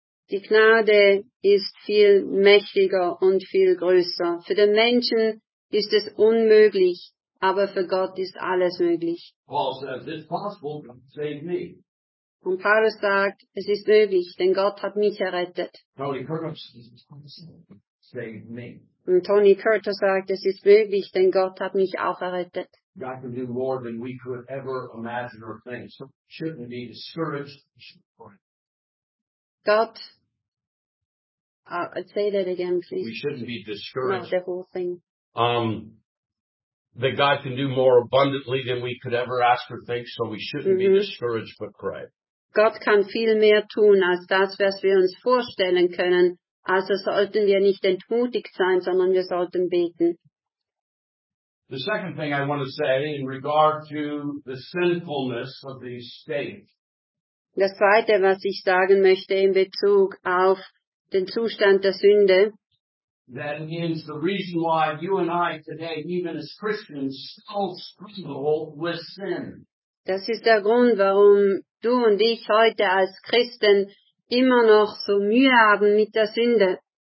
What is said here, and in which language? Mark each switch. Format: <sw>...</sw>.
<de>Die Gnade ist viel mächtiger und viel größer. Für den Menschen ist es unmöglich, aber für Gott ist alles möglich.</de> <en>Paul says, it's possible, God saved me.</en> <de>Und Paulus sagt, es ist möglich, denn Gott hat mich errettet. Und Tony Curtis sagt, es ist möglich, denn Gott hat mich auch errettet.</de> <en>Gott, I'll say that again, please. We shouldn't be discouraged. Not the whole thing. That God can do more abundantly than we could ever ask or think, so we shouldn't be discouraged, but pray.</en> <de>Gott kann viel mehr tun als das, was wir uns vorstellen können. Also sollten wir nicht entmutigt sein, sondern wir sollten beten.</de> <en>The second thing I want to say in regard to the sinfulness of the state.</en> <de>Das zweite, was ich sagen möchte in Bezug auf den Zustand der Sünde.</de> <en>That is the reason why you and I today, even as Christians, still struggle with sin.</en> <de>Das ist der Grund, warum du und ich heute als Christen immer noch so Mühe haben mit der Sünde.</de>